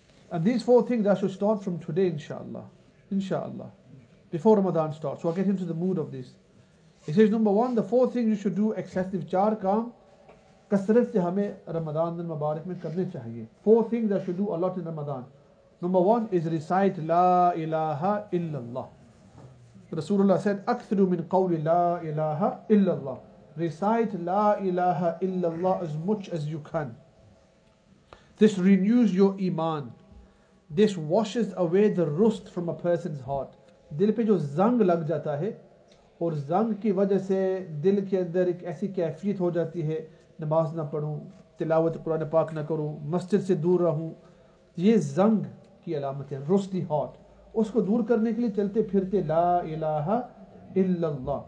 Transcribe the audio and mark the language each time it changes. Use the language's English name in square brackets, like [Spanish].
[English] And these four things I should start from today, inshallah. Inshallah. Before Ramadan starts. So I'll get into the mood of this. He says, number one, the four things you should do, excessive [Urdu] char kaam, کثرت سے ہمیں رمضان المبارک میں کرنے چاہیے. [English] Four things that should do a lot in Ramadan. Number one is recite لا الہ الا اللہ. [Arabic] رسول اللہ said اکثر من قول لا الہ الا اللہ. [English] Recite لا الہ الا اللہ as much as you can. This renews your ایمان. This washes away the rust from a person's heart. [Urdu] دل پہ جو زنگ لگ جاتا ہے اور زنگ کی وجہ سے دل کے اندر ایک ایسی کیفیت ہو جاتی ہے, نماز نہ پڑھوں, تلاوت قرآن پاک نہ کروں, مسجد سے دور رہوں, یہ زنگ کی علامت ہے, [English] rusty heart, [Urdu] اس کو دور کرنے کے لیے چلتے پھرتے لا الہ الا اللہ.